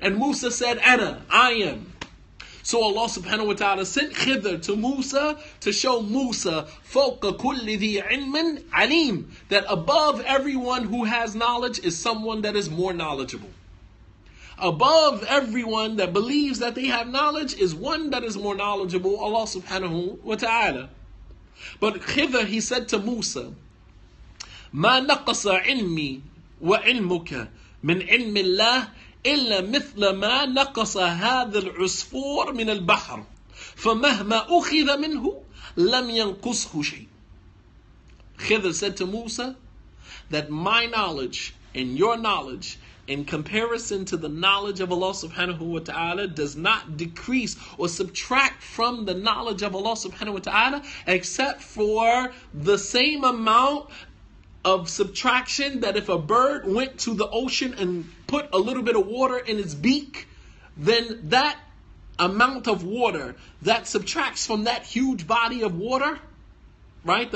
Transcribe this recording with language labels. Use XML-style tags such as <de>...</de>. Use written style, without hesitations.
<en>And Musa said, Ana, I am. So Allah subhanahu wa ta'ala sent Khidr to Musa to show Musa,</en> <ar>فَوْقَ كُلِّ ذِي عِلْمٍ عَلِيمٍ,</ar> <en>that above everyone who has knowledge is someone that is more knowledgeable. above everyone that believes that they have knowledge is one that is more knowledgeable, Allah subhanahu wa ta'ala. But Khidr, he said to Musa,</en> <ar>مَا نَقَصَ عِلْمِي وَعِلْمُكَ مِنْ عِلْمِ اللَّهِ إِلَّا مِثْلَ مَا نَقَصَ هَذَا الْعُسْفُورِ مِنَ الْبَحْرِ فَمَهْمَا أُخِذَ مِنْهُ لَمْ يَنْقُصْهُ شَيْءٍ.</ar> <en>Khidr said to Musa that my knowledge and your knowledge in comparison to the knowledge of Allah subhanahu wa ta'ala does not decrease or subtract from the knowledge of Allah subhanahu wa ta'ala except for the same amount of subtraction that if a bird went to the ocean and put a little bit of water in its beak, then that amount of water that subtracts from that huge body of water, right?</en>